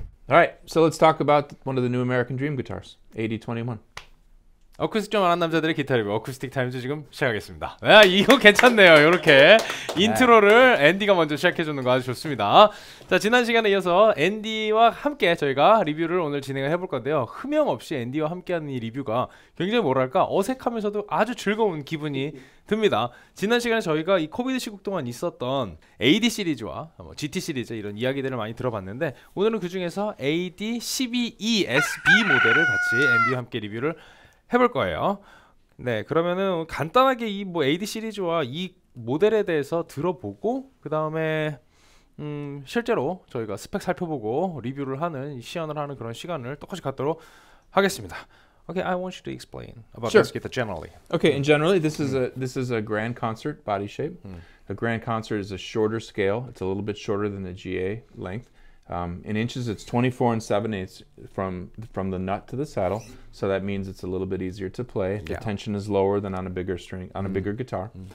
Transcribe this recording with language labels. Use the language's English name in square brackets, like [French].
[English] All right, so let's talk about one of the new American Dream guitars, AD21. [Korean] 어쿠스틱 좀 아는 남자들의 기타리뷰 어쿠스틱 타임즈 지금 시작하겠습니다. 아, 이거 괜찮네요. 이렇게 인트로를 앤디가 먼저 시작해주는 거 아주 좋습니다. 자, 지난 시간에 이어서 앤디와 함께 저희가 리뷰를 오늘 진행을 해볼 건데요. 흠영 없이 앤디와 함께하는 이 리뷰가 굉장히 뭐랄까 어색하면서도 아주 즐거운 기분이 듭니다. 지난 시간에 저희가 이 코비드 시국 동안 있었던 AD 시리즈와 뭐 GT 시리즈 이런 이야기들을 많이 들어봤는데 오늘은 그 중에서 AD12ESB 모델을 같이 앤디와 함께 리뷰를 해볼 거예요. 네, 그러면은 간단하게 이 뭐 AD 시리즈와 이 모델에 대해서 들어보고 그 다음에 실제로 저희가 스펙 살펴보고 리뷰를 하는 시연을 하는 그런 시간을 똑같이 갖도록 하겠습니다. [English] Okay, I want you to explain about this guitar generally. Okay, in generally, this is a grand concert body shape. A grand concert is a shorter scale. It's a little bit shorter than the GA length. In inches, it's 24 7/8 from the nut to the saddle. So that means it's a little bit easier to play. Yeah. The tension is lower than on a bigger string, on a bigger guitar.